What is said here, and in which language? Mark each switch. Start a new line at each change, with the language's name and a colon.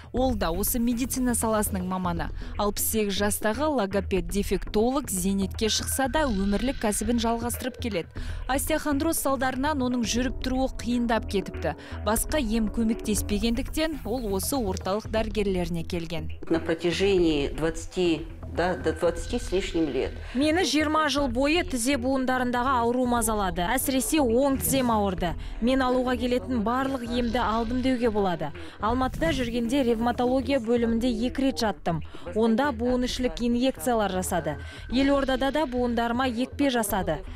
Kazakh: Ол да осы медицина саласының маманы. 68 жастағы логопед-дефектолог зейнетке шықса да өмірлік кәсібін жалғастырып келеді. Остеохондроз салдарынан оның жүріп тұруы қиындап кетіпті. Басқа ем көмектеспегендіктен ол осы орталық дәрігерлеріне келген.
Russian: На протяжении 20 с лишним лет.
Kazakh: Мені 20 жыл бойы тізе буындарындағы ауру мазалады. Әсіресе оң тізем ауырды. Мен алуға келетін барлық емді алдым деуге болады. Алматыда жүргенде ревматология бөлімінде 2 рет жаттым. Онда буынышлік инъекциялар жасады. Елордада да буындарыма екпе жасады.